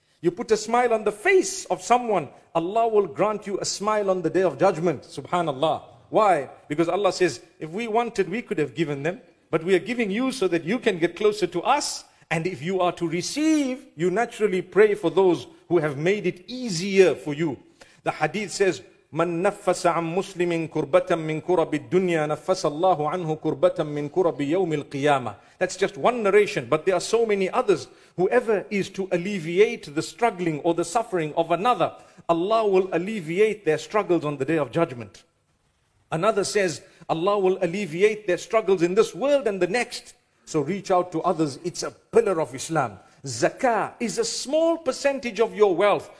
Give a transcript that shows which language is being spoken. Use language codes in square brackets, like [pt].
[en] You put a smile on the face of someone, Allah will grant you a smile on the day of judgment. Subhanallah. Why? Because Allah says, if we wanted, we could have given them. But we are giving you so that you can get closer to us. And if you are to receive, you naturally pray for those who have made it easier for you. [ar] The hadith says, مَن نَفَّسَ عَن مُسْلِمٍ كُرْبَةً مِّن كُرَبِ الدُّنْيَا نَفَّسَ اللَّهُ عَنْهُ كُرْبَةً مِّن كُرَبِ يَوْمِ الْقِيَامَةِ. [en] That's just one narration, but there are so many others. Whoever is to alleviate the struggling or the suffering of another, Allah will alleviate their struggles on the day of judgment. Another says, Allah will alleviate their struggles in this world and the next. So reach out to others. It's a pillar of Islam. Zakah is a small percentage of your wealth.